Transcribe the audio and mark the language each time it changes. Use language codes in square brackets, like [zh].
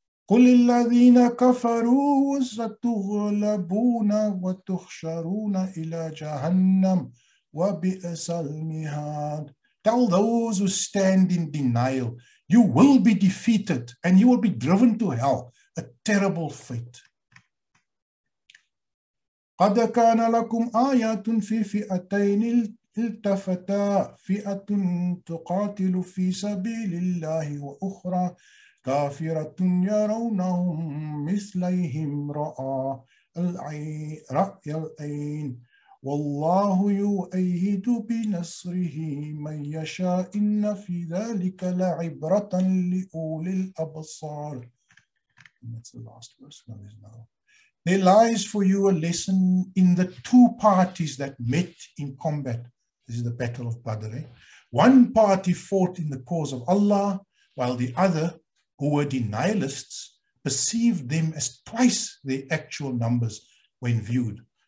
[ar] قُلْ لِلَّذِينَ كَفَرُوا سَتُغْلَبُونَ وَتُخْشَرُونَ إِلَى جَهَنَّمَ وَبِئْسَ الْمِهَادُ. [en] Tell those who stand in denial, you will be defeated and you will be driven to hell, a terrible fate. [ar] قَدْ كَانَ لَكُمْ آيَاتٌ فِي فِئَتَيْنِ الْتَفَتَا فِئَةٌ تُقَاتِلُ فِي سَبِيلِ اللَّهِ وَأُخْرَى كافرة يرونهم مثليهم رأي العين والله يؤيد بنصره من يشاء إن في ذلك لعبرة لأولي الأبصار. [en] That's the last verse. No, there's no. There lies for you a lesson in the two parties that met in combat. This is the Battle of Badr. One party fought in the cause of Allah, while the other, who were denialists, perceived them as twice their actual numbers when viewed.